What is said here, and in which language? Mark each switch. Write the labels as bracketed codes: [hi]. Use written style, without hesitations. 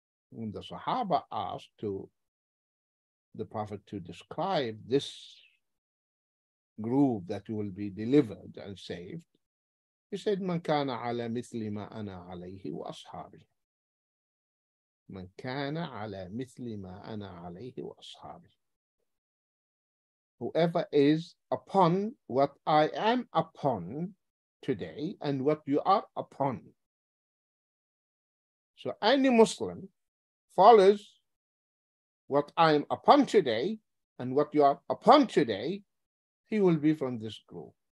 [en] When the Sahaba asked to the Prophet to describe this group that will be delivered and saved, he said, "Man kana ala mithli ma ana alayhi wa ashabi." [ar] من كان على مثل ما أنا عليه وأصحابي. [en] Whoever is upon what I am upon today and what you are upon. So any Muslim follows what I am upon today and what you are upon today, he will be from this group.